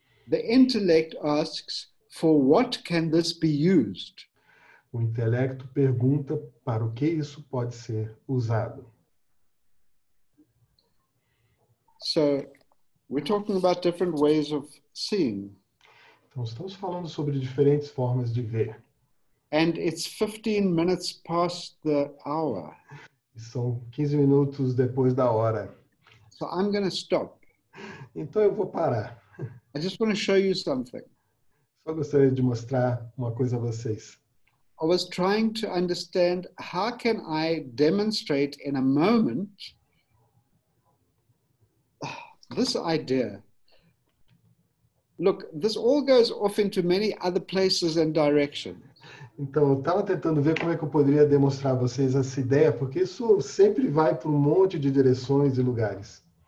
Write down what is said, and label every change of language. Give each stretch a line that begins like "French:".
English: The intellect asks, for what can this be used?
Portuguese: O intelecto pergunta para o que isso pode ser usado.
English: So, we're talking about different ways of seeing.
Portuguese: Então, estamos falando sobre diferentes formas de ver.
English: And it's 15 minutes past the hour.
Portuguese: São 15 minutos depois da hora.
English: So, I'm going to stop.
Portuguese: Então, eu vou parar.
English: I just want to show you something.
Portuguese: Só gostaria de mostrar uma coisa a vocês.
English: I was trying to understand how can I demonstrate in a moment... This idea, look, this all goes off into many other places and directions.
Portuguese: Então, eu estava tentando ver como é que eu poderia demonstrar a vocês essa ideia, porque isso sempre vai para um monte de direções e lugares.